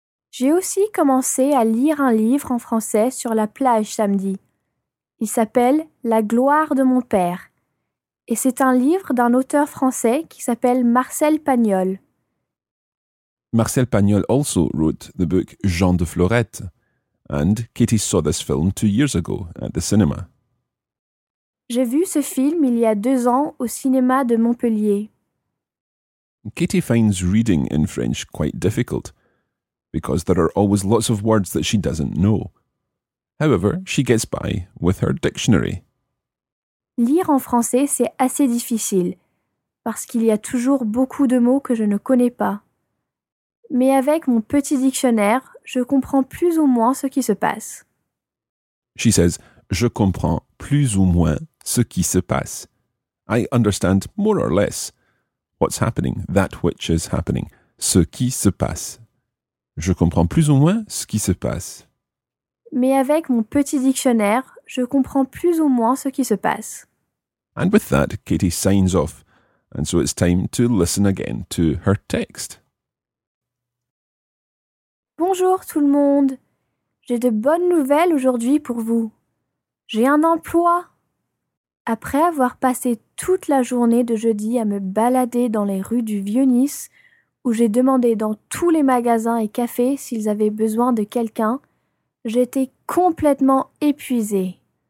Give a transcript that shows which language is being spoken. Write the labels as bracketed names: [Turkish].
[French] J'ai aussi commencé à lire un livre en français sur la plage samedi. Il s'appelle « La gloire de mon père ». Et c'est un livre d'un auteur français qui s'appelle Marcel Pagnol. [English] Marcel Pagnol also wrote the book Jean de Florette, and Katie saw this film 2 years ago at the cinema. [French] J'ai vu ce film il y a 2 ans au cinéma de Montpellier. [English] Katie finds reading in French quite difficult, because there are always lots of words that she doesn't know. However, she gets by with her dictionary. [French] Lire en français, c'est assez difficile, parce qu'il y a toujours beaucoup de mots que je ne connais pas. Mais avec mon petit dictionnaire, je comprends plus ou moins ce qui se passe. [English] She says, [French] je comprends plus ou moins ce qui se passe. [English] I understand more or less what's happening, that which is happening, [French] ce qui se passe. Je comprends plus ou moins ce qui se passe. Mais avec mon petit dictionnaire, je comprends plus ou moins ce qui se passe. [English] And with that, Katie signs off, and so it's time to listen again to her text. [French] Bonjour tout le monde. J'ai de bonnes nouvelles aujourd'hui pour vous. J'ai un emploi. Après avoir passé toute la journée de jeudi à me balader dans les rues du Vieux-Nice, où j'ai demandé dans tous les magasins et cafés s'ils avaient besoin de quelqu'un, j'étais complètement épuisée.